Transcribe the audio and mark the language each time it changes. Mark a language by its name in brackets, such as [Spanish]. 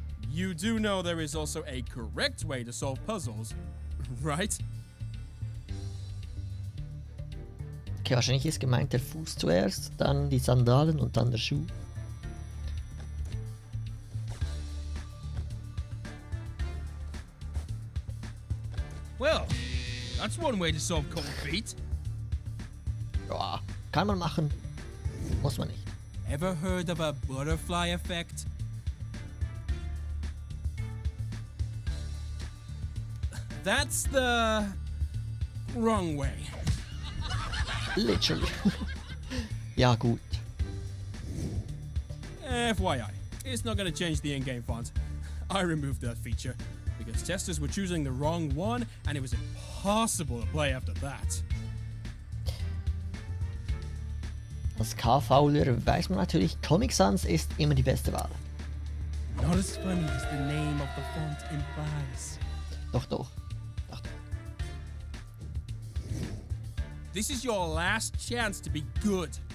[English] You do know there is also a correct way to solve puzzles, right? [German] Okay, wahrscheinlich ist gemeint der Fuß zuerst, dann die Sandalen und dann der Schuh. [English] Well, that's one way to solve cold feet. [German] Ja, kann man machen. Muss man nicht. [English] Ever heard of a butterfly effect? That's the wrong way. Literally. [German] Ja, gut. [English] FYI, it's not gonna change the in-game font. I removed that feature. Because testers were choosing the wrong one, and it was impossible to play after that. [German] Als K-Fauler weiß man natürlich, Comic Sans ist immer die beste Wahl. [English] Not as funny as the name of the font implies. [German] Doch, doch. Doch. [English] This is your last chance to be good.